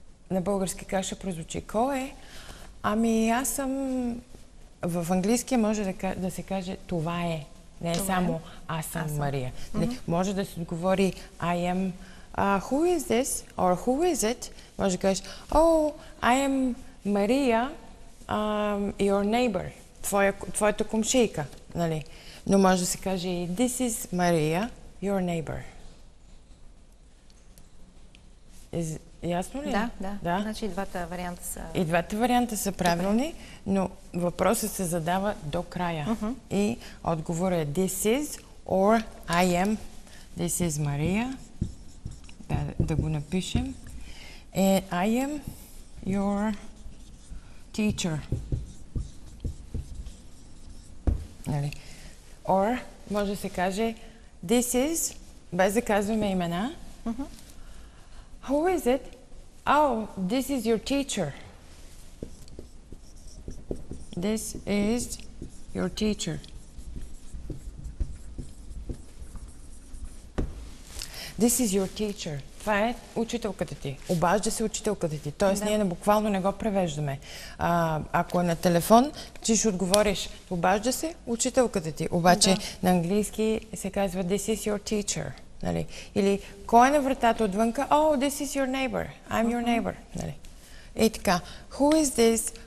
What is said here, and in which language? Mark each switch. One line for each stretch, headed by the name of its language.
Bulgarian: На български каша прозвучи. Кой е? Ами аз съм... В английски може да се каже това е. Не е само аз съм Мария. Не, може да се отговори
English: I am who is this or who is it?
Bulgarian: Може да кажеш
English: oh, I am Maria your neighbor.
Bulgarian: Твоята комшейка. Нали? Но може да се каже
English: this is Maria your neighbor.
Bulgarian: Ясно ли? Да. Значи и двата варианта са... И двата варианта са правилни, но въпросът се задава до края. И отговорът е
English: this is or I am. This is Maria.
Bulgarian: Да го напишем.
English: And I am your teacher.
Bulgarian: Нали? Or може да се каже
English: this is,
Bulgarian: без да казваме имена.
English: Who is it? Oh, this is your teacher. This is your teacher. This is your teacher.
Bulgarian: Това е учителката ти. Обажда се учителката ти. Тоест, ние буквално не го превеждаме. Ако е на телефон, ти ще отговориш. Обажда се учителката ти. Обаче на английски се казва
English: this is your teacher.
Bulgarian: Нали? Или, кой е на вратата отвънка?
English: Oh, this is your neighbor. I'm your neighbor.
Bulgarian: Нали? И така,
English: who is this?